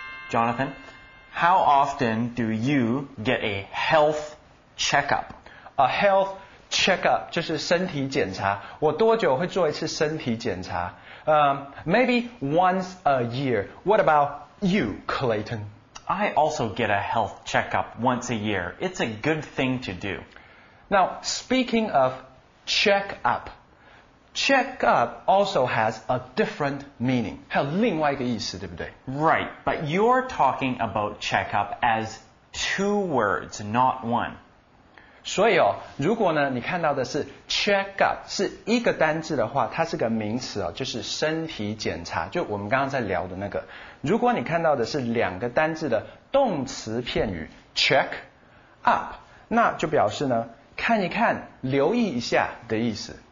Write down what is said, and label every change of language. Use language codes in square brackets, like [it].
[en] Jonathan, how often do you get a health checkup? [zh] A health checkup 就是身体检查。我多久会做一次身体检查？ [en] Maybe once a year. What about you, Clayton? I also get a health checkup once a year. It's a good thing to do. Now, speaking of checkup, checkup also has a different meaning. [zh] 它有另外一个意思，对不对？ [en] Right, but you're talking about checkup as two words, not one. [zh] 所以哦，如果呢，你看到的是 checkup 是一个单字的话，它是个名词哦，就是身体检查，就我们刚刚在聊的那个。如果你看到的是两个单字的动词片语 check up， 那就表示呢，看一看，留意一下的意思。